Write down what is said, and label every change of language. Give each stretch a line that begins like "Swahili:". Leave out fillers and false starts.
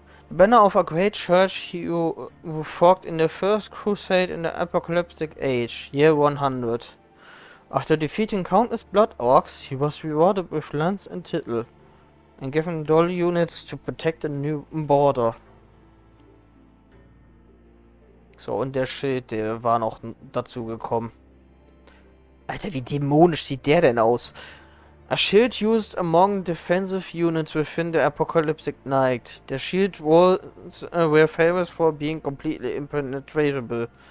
English: Banner of a great church who fought in the first crusade in the apocalyptic age, year 100. After defeating countless blood orcs, he was rewarded with lands and title and given doll units to protect the new border.
German: So, und der Schild, der war noch dazu gekommen. Alter, wie dämonisch sieht der denn aus?
English: A shield used among defensive units within the apocalyptic night. The shield walls were famous for being completely impenetrable.